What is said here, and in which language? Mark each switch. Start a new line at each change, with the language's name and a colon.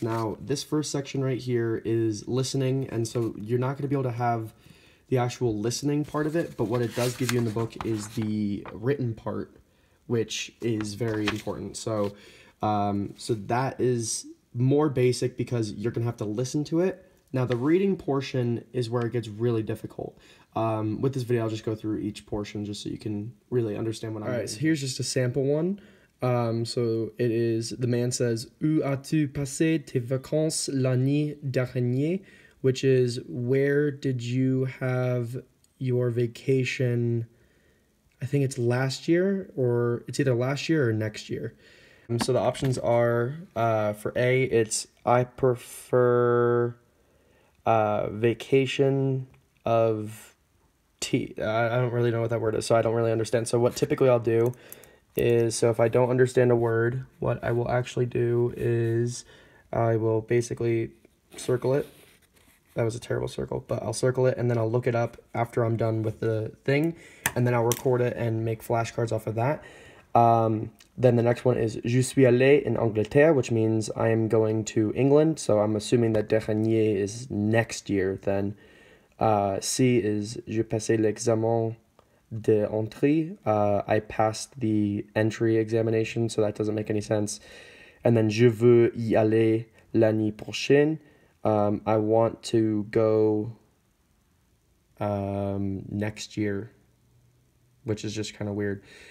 English: Now this first section right here is listening, and so you're not going to be able to have the actual listening part of it, but what it does give you in the book is the written part, which is very important. So so that is more basic because you're gonna have to listen to it. Now the reading portion is where it gets really difficult. With this video, I'll just go through each portion just so you can really understand what I'm doing. All right, so here's just a sample one. So it is, the man says,
French: "Où as-tu passé tes vacances l'année dernière?"
English: Which is, where did you have your vacation? I think it's last year, or it's either last year or next year. So the options are, for A, it's, "I prefer vacation of tea." I don't really know what that word is, so I don't really understand. So what typically I'll do is, so if I don't understand a word, what I will actually do is I will basically circle it. That was a terrible circle, but I'll circle it and then I'll look it up after I'm done with the thing, and then I'll record it and make flashcards off of that. Then the next one is,
French: "Je suis allé en Angleterre,"
English: which means I am going to England. So I'm assuming that dernier is next year then. C is,
French: "Je passe l'examen de entrée."
English: I passed the entry examination, so that doesn't make any sense. And then,
French: "Je veux y aller l'année prochaine."
English: I want to go next year, which is just kind of weird.